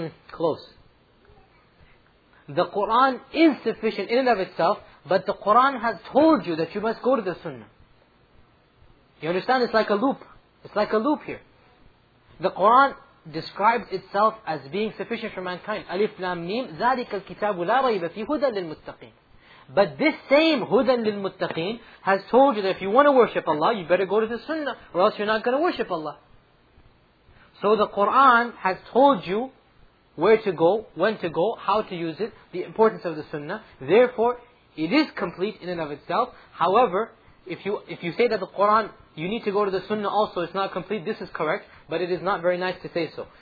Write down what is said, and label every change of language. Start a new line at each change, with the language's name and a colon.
English: Close. The Quran is sufficient in and of itself, but the Quran has told you that you must go to the Sunnah. You understand? It's like a loop. It's like a loop here. The Quran describes itself as being sufficient for mankind.
Arabic: Alif Lam Mim, ذَلِكَ الْكِتَابُ لَا رَيْبَ فِي هُدًى لِلْمُتَّقِينَ.
English: But this same
Arabic: هُدًى لِلْمُتَّقِينَ
English: has told you that if you want to worship Allah, you better go to the Sunnah, or else you're not going to worship Allah. So the Quran has told you where to go, when to go, how to use it, the importance of the Sunnah. Therefore, it is complete in and of itself. However, if you say that the Quran, you need to go to the Sunnah also, it's not complete, this is correct, but it is not very nice to say so.